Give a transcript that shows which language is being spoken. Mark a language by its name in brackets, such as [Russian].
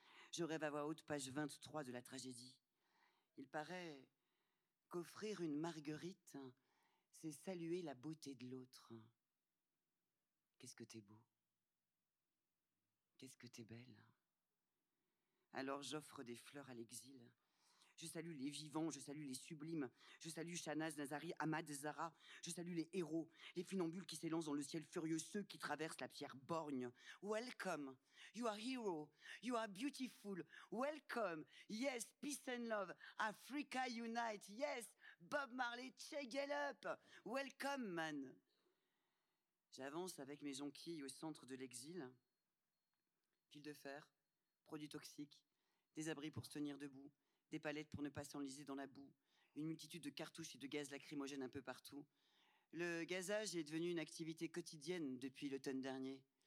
[French] Je rêve à voix haute, page 23 de la tragédie. Il paraît qu'offrir une marguerite, c'est saluer la beauté de l'autre. Qu'est-ce que t'es beau? Qu'est-ce que t'es belle? Alors j'offre des fleurs à l'exil. Je salue les vivants, je salue les sublimes, je salue Shanaz, Nazari, Ahmad, Zara, je salue les héros, les funambules qui s'élancent dans le ciel furieux, ceux qui traversent la pierre borgne. [English] Welcome, you are hero, you are beautiful, welcome, yes, peace and love, Africa unite, yes, Bob Marley, check it up, welcome man. [French] J'avance avec mes jonquilles au centre de l'exil, fil de fer, produits toxiques, des abris pour se tenir debout, des palettes pour ne pas s'enliser dans la boue, une multitude de cartouches et de gaz lacrymogènes un peu partout. Le gazage est devenu une activité quotidienne depuis l'automne dernier.